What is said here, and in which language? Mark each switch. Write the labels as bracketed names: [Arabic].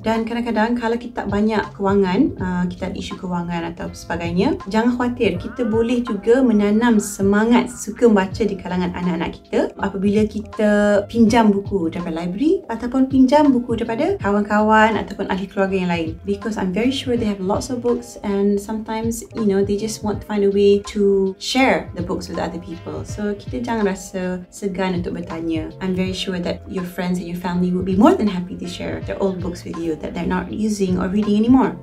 [Malay] Dan kadang-kadang kalau kita tak banyak kewangan, kita ada isu kewangan atau sebagainya, jangan khawatir, kita boleh juga menanam semangat suka membaca di kalangan anak-anak kita apabila kita pinjam buku daripada library ataupun pinjam buku daripada kawan-kawan ataupun ahli keluarga yang lain. [English] Because I'm very sure they have lots of books and sometimes, you know, they just want find a way to share the books with other people. [Malay] So kita jangan rasa segan untuk bertanya. [English] I'm very sure that your friends and your family would be more than happy to share their old books with you that they're not using or reading anymore.